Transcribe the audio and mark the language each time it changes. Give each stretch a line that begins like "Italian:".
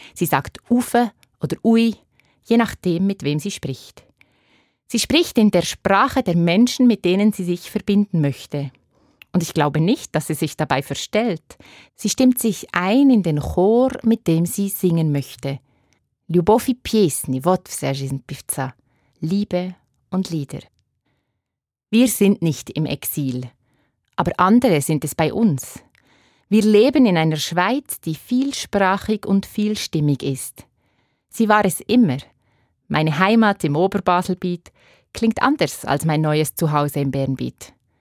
German: Sie sagt «ufe» oder «ui», je nachdem, mit wem sie spricht. Sie spricht in der Sprache der Menschen, mit denen sie sich verbinden möchte. Und ich glaube nicht, dass sie sich dabei verstellt. Sie stimmt sich ein in den Chor, mit dem sie singen möchte.
Russian: «Любові пісні, вот вся жизнь певца» –
German: «Liebe und Lieder». Wir sind nicht im Exil, aber andere sind es bei uns. Wir leben in einer Schweiz, die vielsprachig und vielstimmig ist. Sie war es immer. Meine Heimat im Oberbaselbiet klingt anders als mein neues Zuhause im Bernbiet.